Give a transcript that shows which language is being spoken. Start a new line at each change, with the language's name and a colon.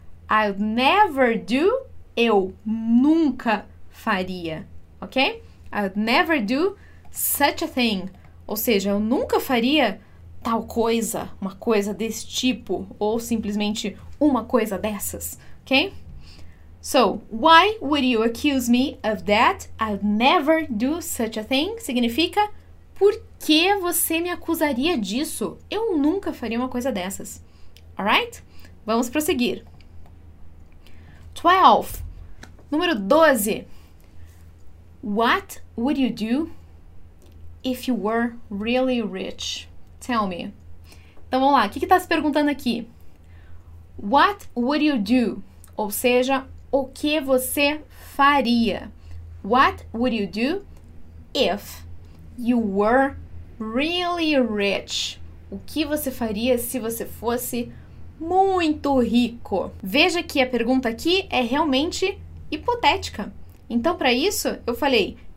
English: I'd never do,
Portuguese: eu nunca faria. Ok?
English: I'd never do such a thing.
Portuguese: Ou seja, eu nunca faria tal coisa, uma coisa desse tipo, ou simplesmente uma coisa dessas. Ok?
English: So, why would you accuse me of that? I'd never do such a thing.
Portuguese: Significa, por que você me acusaria disso? Eu nunca faria uma coisa dessas.
English: Alright?
Portuguese: Vamos prosseguir. 12. Número 12.
English: What would you do if you were really rich? Tell me.
Portuguese: Então, vamos lá. O que que está se perguntando aqui?
English: What would you do?
Portuguese: Ou seja, o que você faria?
English: What would you do if you were really rich?
Portuguese: O que você faria se você fosse muito rico? Veja que a pergunta aqui é realmente hipotética. Então, para isso, eu falei: